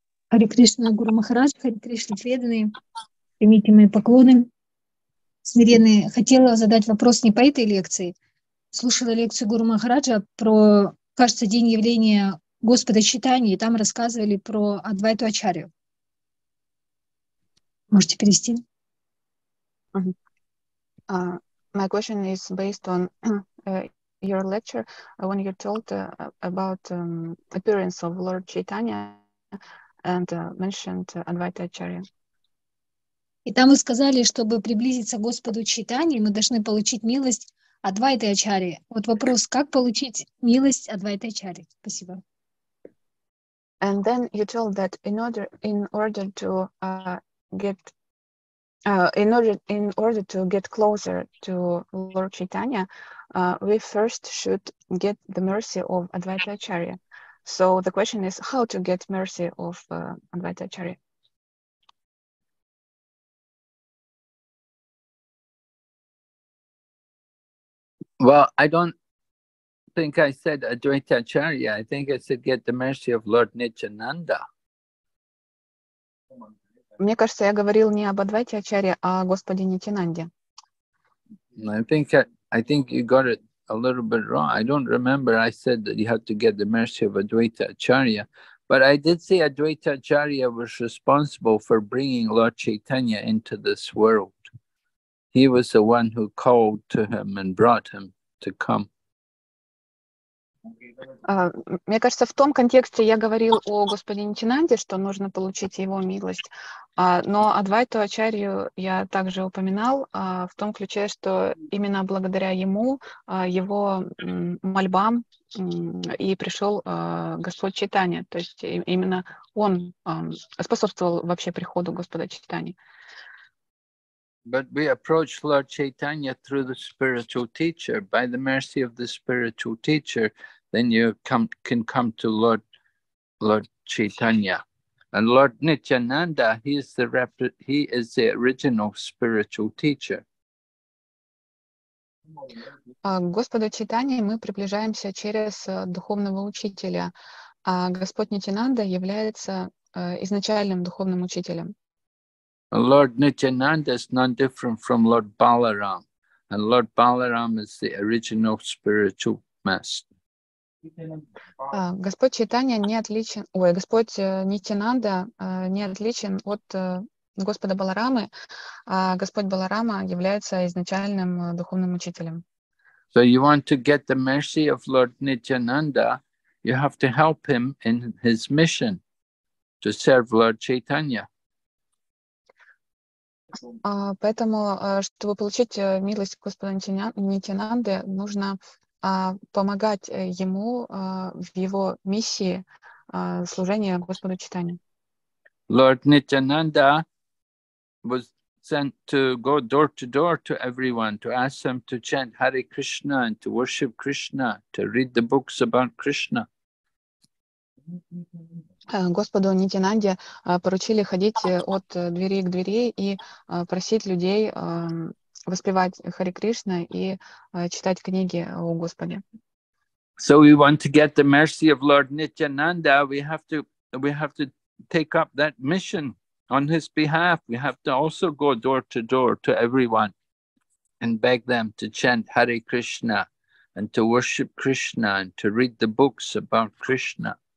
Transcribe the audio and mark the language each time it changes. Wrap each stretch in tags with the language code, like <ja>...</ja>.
<ru>Хари Кришна, Гуру Махарадж, Хари Кришна, преданные, примите мои поклоны, смиренные. Хотела задать вопрос не по этой лекции. Слушала лекцию Гуру Махараджа про, кажется, день явления Господа Чайтаньи, и там рассказывали про Адвайту Ачарью. Можете перевести?</ru> <en>My question is based on your lecture when you told about appearance of Lord Chaitanya and mentioned Advaita Acharya.</en> <ru>И там вы сказали, чтобы приблизиться к Господу Чайтаньи, мы должны получить милость Адвайты Ачарьи. Вот вопрос, как получить милость Адвайты Ачарьи? Спасибо.</ru> <en>And then you told that in order to get In order to get closer to Lord Chaitanya, we first should get the mercy of Advaita Acharya. So the question is, how to get mercy of Advaita Acharya? Well, I don't think I said Advaita Acharya. I think I said get the mercy of Lord Nityananda.</en> <ru>Мне кажется, я говорил не об Адвайте Ачарье, а о Господе Нитинанде.</ru> <en>I think you got it a little bit wrong. I don't remember I said that you had to get the mercy of Advaita Acharya. But I did say Advaita Acharya was responsible for bringing Lord Chaitanya into this world. He was the one who called to him and brought him to come.</en> <ru>Мне кажется, в том контексте я говорил о господине Нитинанде, что нужно получить его милость. Но Адвайту Ачарью я также упоминал в том ключе, что именно благодаря ему, его мольбам и пришел Господь Чайтанья. То есть именно он способствовал вообще приходу Господа Чайтаньи.</ru> <en>But we approach Lord Chaitanya through the spiritual teacher. By the mercy of the spiritual teacher, then you can come to Lord Chaitanya. And Lord Nityananda, he is the original spiritual teacher.</en> <ru>Господу Чайтанье мы приближаемся через духовного учителя. А Господь Нитинанда является изначальным духовным учителем.</ru> <en>Lord Nityananda is none different from Lord Balaram, and Lord Balaram is the original spiritual master.</en> <ru>Господь Чайтанья не отличен, ой, Господь Нитинанда не отличен от Господа Баларамы, а Господь Баларама является изначальным духовным учителем.</ru> <en>So you want to get the mercy of Lord Nityananda, you have to help him in his mission to serve Lord Chaitanya.</en> <ru>Поэтому, чтобы получить милость Господа Нитинанды, нужно помогать ему в его миссии служения Господу Чайтанье.</ru> <en>Lord Nityananda was sent to go door to door to everyone, to ask them to chant Hare Krishna and to worship Krishna, to read the books about Krishna.</en> <ru>Господу Нитинанде поручили ходить от двери к двери и просить людей воспевать Хари Кришна и читать книги о Господе.</ru> <en>So we want to get the mercy of Lord Nityananda, we have to take up that mission on his behalf. We have to also go door to door to everyone and beg them to chant Hare Krishna and to worship Krishna and to read the books about Krishna.</en>